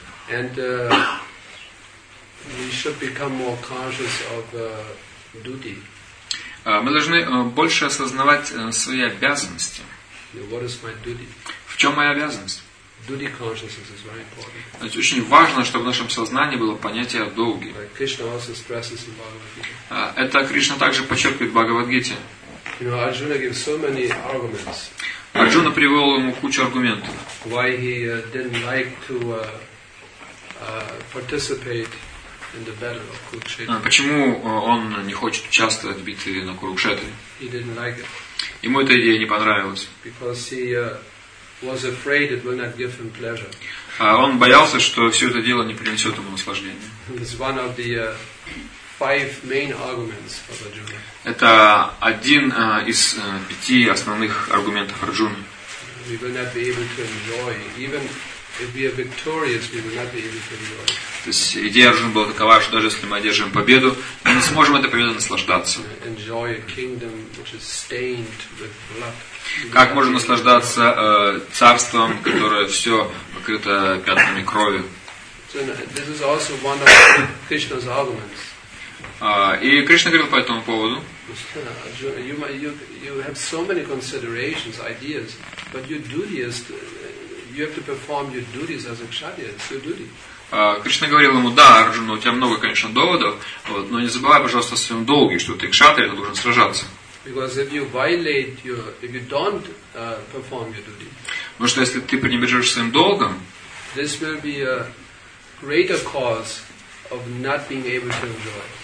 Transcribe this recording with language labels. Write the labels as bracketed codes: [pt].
[en] And we should become more conscious of duty. [ru] Мы должны больше осознавать свои обязанности. [en] What is my duty? [ru] В чем моя обязанность? [en] Duty consciousness is very important. [ru] Значит, очень важно, чтобы в нашем сознании было понятие о долге. [en] Krishna also stresses in Bhagavad-gita. [ru] Это Кришна также подчеркивает в Бхагавад-гите. [en] You know, Arjuna gives so many arguments. [ru] Арджуна привел ему кучу аргументов. [en] Why he didn't like to participate in the battle of Kurukshetra. [ru] Почему он не хочет участвовать в битве на Курукшетре? [en] He didn't like it. [ru] Ему эта идея не понравилась. [en] Because he was afraid it will not give him pleasure. [ru] Он боялся, что все это дело не принесет ему наслаждения. [en] It's one of the five main arguments of Arjuna. [ru] Это один из пяти основных аргументов Арджуны. [en] We will not be able to enjoy even. If we are victorious, we will not be able to enjoy. [ru] То есть идея Арджуны была такова, что даже если мы одержим победу, мы не сможем этой победой наслаждаться. [en] Enjoy a kingdom which is stained with blood. [ru] Как можно наслаждаться царством, которое все покрыто пятнами крови? [en] So, this is also one of Krishna's arguments. [ru] И Кришна говорил по этому поводу. [en] You have so many considerations, ideas, but your duty is to. You have to perform your duties as a kshatriya. It's your duty. [ru] Кришна говорил ему: да, Арджуна, у тебя много, конечно, доводов, вот, но не забывай, пожалуйста, о своем долге, что ты кшатрия, ты должен сражаться. [en] Because if you violate if you don't perform your duty. [ru] Потому что если ты пренебрежешь своим долгом, [en] this will be greater cause of not being able to enjoy.